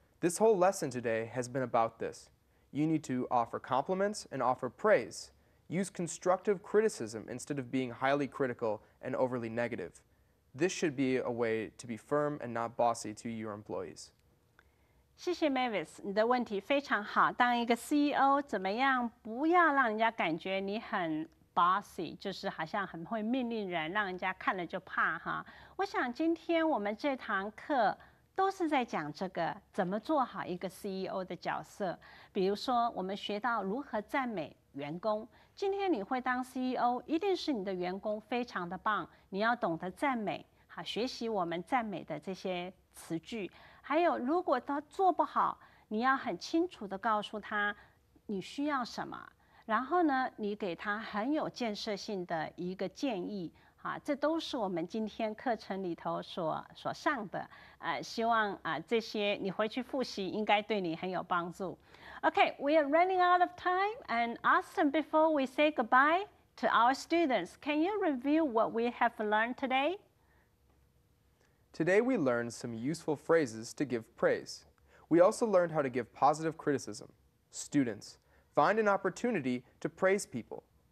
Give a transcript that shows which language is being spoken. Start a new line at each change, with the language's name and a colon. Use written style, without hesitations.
English: This whole lesson today has been about this. You need to offer compliments and offer praise. Use constructive criticism instead of being highly critical and overly negative. This should be a way to be firm and not bossy to your employees.
Chinese: 谢谢 Mavis， 你的问题非常好。当一个 CEO 怎么样，不要让人家感觉你很
English: bossy，
Chinese: 就是好像很会命令人，让人家看了就怕哈。我想今天我们这堂课都是在讲这个，怎么做好一个 CEO 的角色。比如说，我们学到如何赞美员工，今天你会当 CEO， 一定是你的员工非常的棒，你要懂得赞美，好，学习我们赞美的这些词句。还有，如果他做不好，你要很清楚地告诉他你需要什么，然后呢，你给他很有建设性的一个建议，好，这都是我们今天课程里头所上的，希望这些你回去复习，应该对你很有帮助。
English: Okay, we are running out of time, and Austin, before we say goodbye to our students, can you review what we have learned today? Today we learned some useful phrases to give praise. We also learned how to give positive criticism. Students, find an opportunity to praise people.